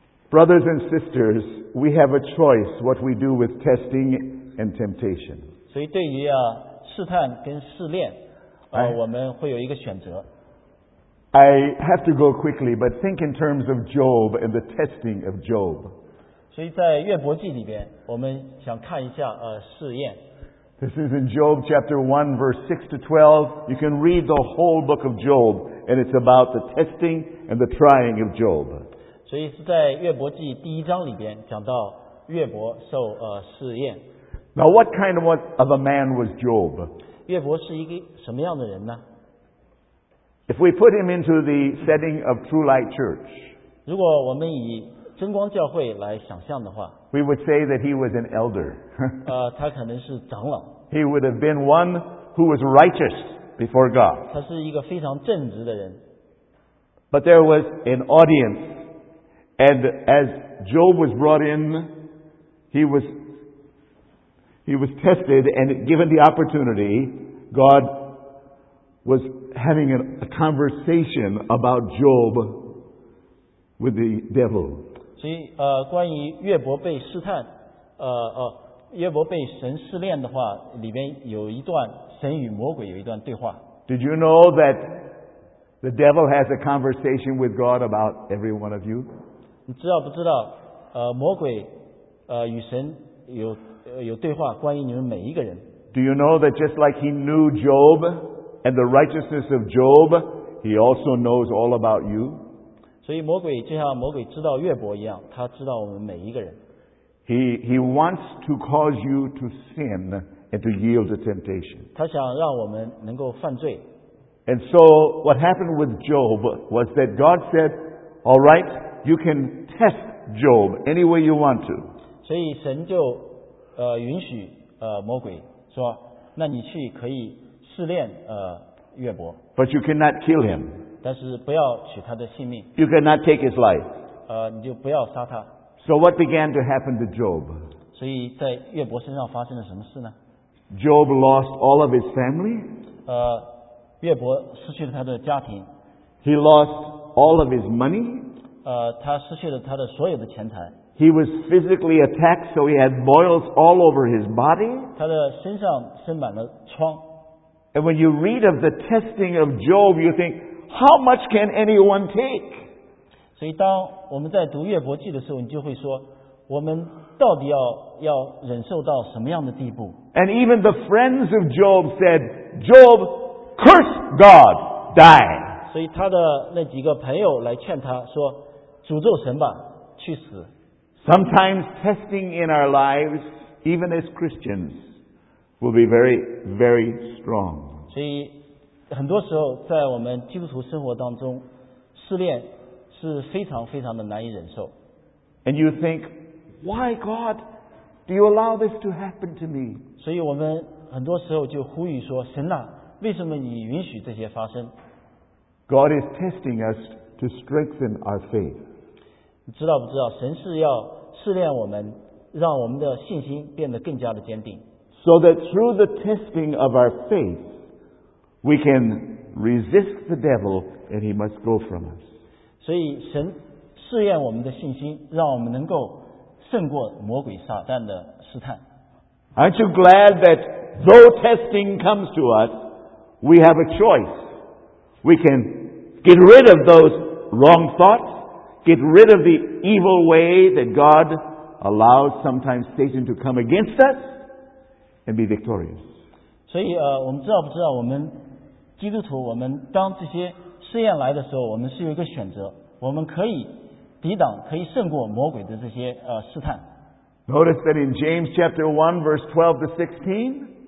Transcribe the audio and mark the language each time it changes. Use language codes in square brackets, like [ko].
[en] Brothers and sisters, we have a choice what we do with testing and temptation. [zh] 所以对于试探跟试炼我们会有一个选择。 [en] I have to go quickly, but think in terms of Job and the testing of Job. [zh] 所以在约伯记里边我们想看一下试验。 [en] This is in Job chapter 1 verse 6 to 12. You can read the whole book of Job and it's about the testing and the trying of Job. [zh] 所以是在约伯记第一章里边讲到约伯受试验。 [en] Now what kind of a man was Job? [zh] 约伯是一个什么样的人呢？ [en] If we put him into the setting of True Light Church, [zh] 如果我们以真光教会来想象的话， [en] we would say that he was an elder. [zh] 他可能是长老。 [en] He would have been one who was righteous before God. [zh] 他是一个非常正直的人。 [en] But there was an audience, and as Job was brought in, he was tested and given the opportunity. God was having a conversation about Job with the devil. [zh] 所以关于约伯被试探，约伯被神试炼的话，里边有一段神与魔鬼有一段对话。 [en] Did you know that the devil has a conversation with God about every one of you? [zh] 你知道不知道？魔鬼与神有对话，关于你们每一个人。 [en] Do you know that just like he knew Job and the righteousness of Job, he also knows all about you? [zh] 所以魔鬼就像魔鬼知道约伯一样，他知道我们每一个人。 [en] He wants to cause you to sin and to yield to temptation. [zh] 他想让我们能够犯罪。 [en] And so what happened with Job was that God said, "All right, you can test Job any way you want to." [zh] 所以神就允许魔鬼说，那你去可以试炼约伯。 [en] But you cannot kill him. [zh] 但是不要取他的性命。 [en] You cannot take his life. [zh] 你就不要杀他。 [en] So what began to happen to Job? [zh] 所以在约伯身上发生了什么事呢？ [en] Job lost all of his family. [zh] 约伯失去了他的家庭。 [en] He lost all of his money. [zh] 他失去了他的所有的钱财。 [en] He was physically attacked, so he had boils all over his body. [zh] 他的身上生满了疮。 [en] And when you read of the testing of Job, you think, how much can anyone take? [zh] 所以当我们在读约伯记的时候，你就会说，我们到底要忍受到什么样的地步？ [en] And even the friends of Job said, Job, curse God, die. [zh] 所以他的那几个朋友来劝他说，诅咒神吧，去死。 [en] Sometimes testing in our lives, even as Christians, will be very, very strong. [zh] 所以很多时候在我们基督徒生活当中，试炼是非常非常的难以忍受。 [en] And you think, why God, do you allow this to happen to me? [zh] 所以我们很多时候就呼吁说，神啊，为什么你允许这些发生？ [en] God is testing us to strengthen our faith. [zh] 你知道不知道，神是要试炼我们，让我们的信心变得更加的坚定。 [en] So that through the testing of our faith, we can resist the devil and he must go from us. [zh] 所以神试验我们的信心，让我们能够胜过魔鬼撒旦的试探。 [en] Aren't you glad that though testing comes to us, we have a choice? We can get rid of those wrong thoughts, get rid of the evil way that God allows sometimes Satan to come against us, and be victorious. [zh] 所以我们知道不知道，我们基督徒，我们当这些试验来的时候，我们是有一个选择，我们可以抵挡，可以胜过魔鬼的这些试探。 [en] Notice that in James chapter 1 verse 12 to 16,